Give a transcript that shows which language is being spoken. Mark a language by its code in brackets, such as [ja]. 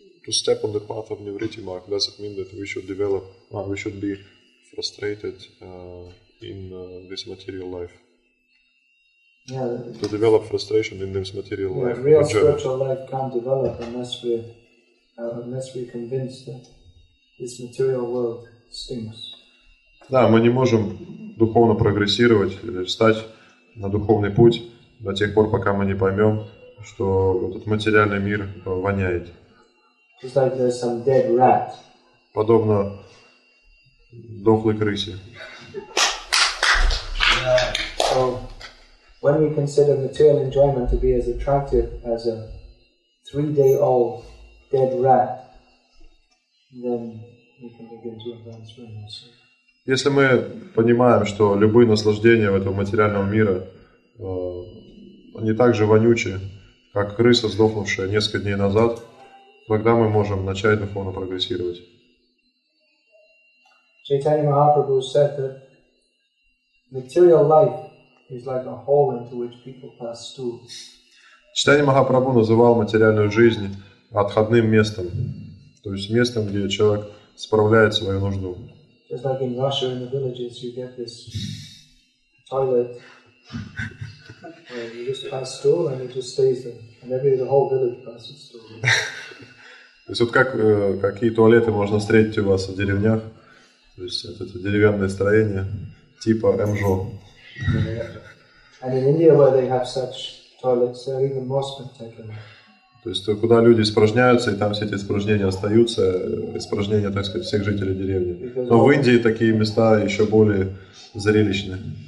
[en] step on the path of Nivritti Mark, does it mean that we should be frustrated in this material life? Yeah. To develop frustration in this material life. Real spiritual life can't develop unless we're convinced that this material world stinks. [ru] Да, мы не можем духовно прогрессировать, встать на духовный путь до тех пор, пока мы не поймем, что этот материальный мир воняет. [en] Just like there's some dead rat. [ru] Подобно дохлой крысе. [en] Yeah. So, when we consider material enjoyment to be as attractive as a three-day-old dead rat, then we can begin to advance very much. [ru] Если мы понимаем, что любые наслаждения в этого материального мира они так же вонючие, как крыса, сдохнувшая несколько дней назад, тогда мы можем начать духовно прогрессировать. [en] Чайтанья Махапрабху said that material life is like a hole into which people pass stools. [ru] Чайтанья Махапрабху называл материальную жизнь отходным местом, то есть местом, где человек справляет свою нужду. [en] Just like in Russia, in the villages, you get this toilet where you just pass stool and it just stays there. And maybe the whole village passes stool. [ru] То есть вот какие туалеты можно встретить у вас в деревнях? То есть это деревянное строение типа МЖО. [en] And in India, where they have such toilets, they're even more spectacular. [ru] То есть куда люди испражняются, и там все эти испражнения остаются, испражнения, так сказать, всех жителей деревни. Но в Индии такие места еще более зрелищные.